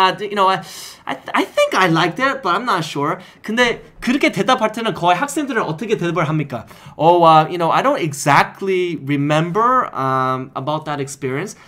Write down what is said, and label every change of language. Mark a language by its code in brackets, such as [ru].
[en] You know, I think I liked it, but I'm not sure. [ko] 근데 그렇게 대답할 때는 거의 학생들은 어떻게 대답을 합니까? [en] Oh, you know, I don't exactly remember about that experience.